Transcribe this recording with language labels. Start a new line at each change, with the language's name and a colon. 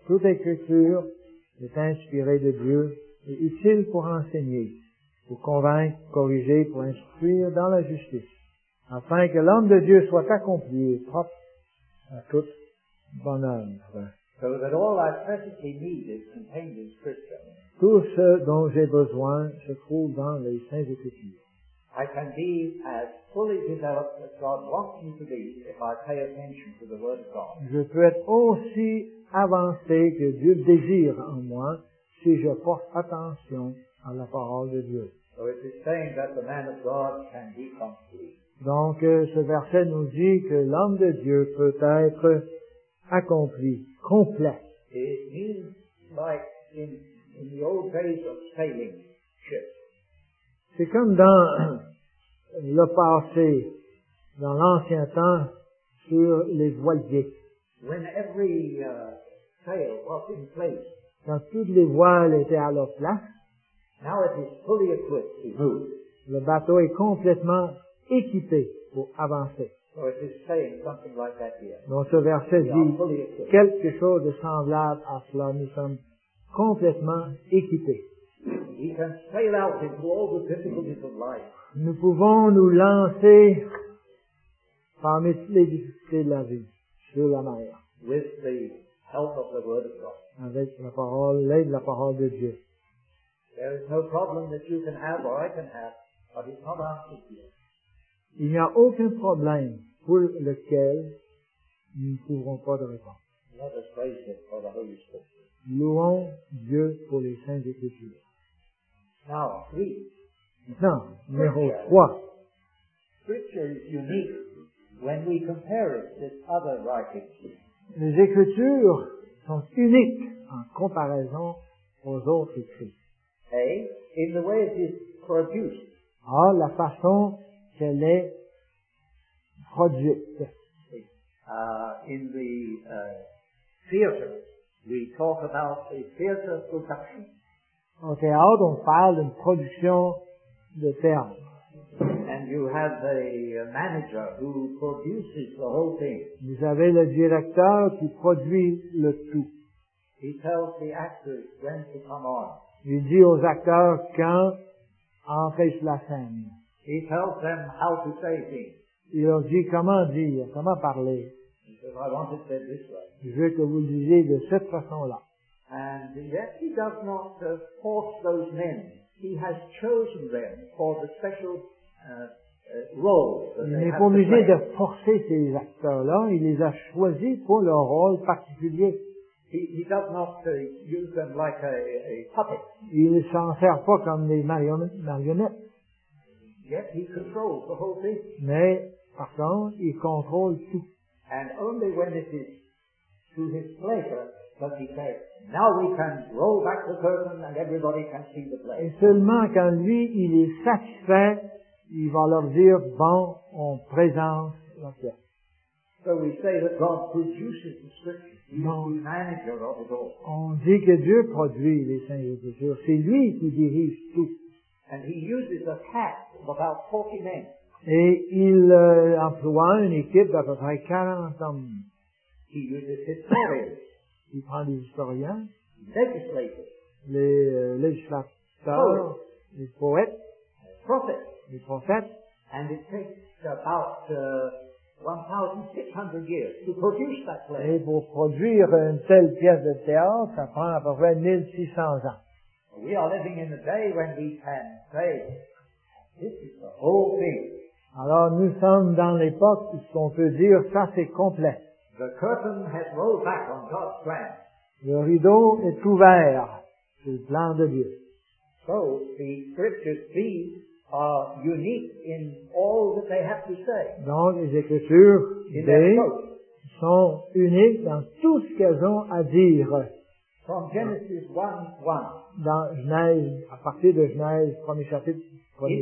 French: Toute écriture est inspirée de Dieu et utile pour enseigner, pour convaincre, corriger, pour instruire dans la justice, afin que l'homme de Dieu soit accompli et propre à toute bonne œuvre.
English: So that all I presently need is contained in Scripture.
French: Tout ce dont j'ai besoin se trouve dans les Saintes Écritures.
English: I can be as fully developed as God wants me to be if I pay attention to the Word of God.
French: Je peux être aussi avancé que Dieu désire en moi si je porte attention à la parole de Dieu.
English: So it is saying that the man of God can be complete.
French: Donc, ce verset nous dit que l'homme de Dieu peut être accompli, complet.
English: It means like in the old days of sailing ships.
French: C'est comme dans le passé, dans l'ancien temps, sur les voiliers.
English: When every sail was in place.
French: Quand toutes les voiles étaient à leur place.
English: Now it is fully equipped to move.
French: Le bateau est complètement équipé pour avancer.
English: So it is saying something like that here.
French: Donc ce verset dit quelque chose de semblable à cela. Nous sommes complètement équipés.
English: We can sail out into all the difficulties of life.
French: Nous pouvons nous lancer parmi les difficultés de la vie sur la mer.
English: With the help of the Word of God.
French: Avec la parole, l'aide de la parole de Dieu.
English: There is no problem that you can have or I can have, but it's not answered here.
French: Il n'y a aucun problème pour lequel nous ne trouverons pas de réponse.
English: Let us praise Him for the Holy Spirit.
French: Louons Dieu pour les Saintes Écritures.
English: Now, three.
French: Maintenant, numéro 3.
English: Scripture is unique when we compare it with other writings.
French: Les Écritures sont uniques en comparaison aux autres écrits.
English: A, in the way it is produced.
French: Ah, la façon qu'elle est produite.
English: In the theater, we talk about a theater production.
French: Au théâtre, on parle d'une production de théâtre.
English: And you have a manager who produces the whole thing.
French: Vous avez le directeur qui produit le tout.
English: He tells the actors when to come on.
French: Il dit aux acteurs quand entrer sur la scène.
English: He tells them how to say things.
French: Il leur dit comment dire, comment parler.
English: He says, I want it said this way.
French: Je veux que vous le disiez de cette façon-là.
English: And yet he does not force those men. He has chosen them for the special role.
French: Il n'est pas obligé de forcer ces acteurs-là. Il les a choisis pour leur rôle particulier.
English: He does not use them like a puppet.
French: Il ne s'en sert pas comme des marionnettes.
English: Yet he controls the whole thing.
French: Mais, par contre, il contrôle tout.
English: And only when it is to his pleasure does he say, now we can roll back the curtain and everybody can see the play.
French: Et seulement quand lui, il est satisfait, il va leur dire, bon, on présente la pièce.
English: So we say that God produces the scripture. Non, manager of it all.
French: On dit que Dieu produit les Saintes Écritures. C'est lui qui dirige tout.
English: And he uses a cast of about 40 men.
French: Et il emploie une équipe d'à peu près 40 hommes.
English: He uses historians.
French: Il prend des historiens.
English: Legislators.
French: Les législateurs. Poets. Les poètes.
English: Prophets.
French: Les prophètes.
English: And it takes about 1,600 years to produce that play.
French: Et pour produire une telle pièce de théâtre, ça prend à peu près 1,600 ans.
English: We are living in a day when we can say, this is the whole thing.
French: Alors nous sommes dans l'époque où on peut dire, ça c'est complet.
English: The curtain has rolled back on God's plan.
French: Le rideau est ouvert sur le plan de Dieu.
English: So the scriptures, these are unique in all that they have to say.
French: Donc les écritures, sont uniques dans tout ce qu'elles ont à dire.
English: From Genesis 1:1.
French: Dans Genèse, à partir de Genèse, premier chapitre, premier